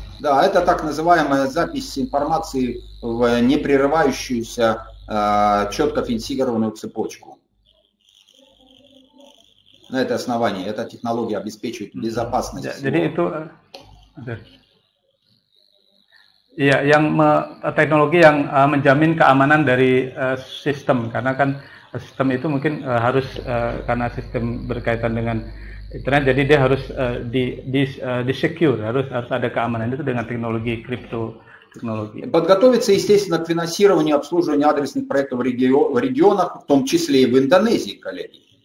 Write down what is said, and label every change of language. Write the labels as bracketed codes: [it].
[ru] Да, это так называемая запись информации в непрерывающуюся четко фиксированную цепочку. На этой основании эта технология обеспечивает безопасность. [id] Jadi itu ya, yang teknologi yang menjamin keamanan dari sistem, karena kan sistem itu mungkin harus karena sistem berkaitan dengan internet, jadi dia harus di secure, harus ada keamanan itu dengan teknologi kripto teknologi. [ru] Подготовиться, естественно, к финансированию и обслуживанию адресных проектов в регионах, в том числе и в Индонезии, коллеги.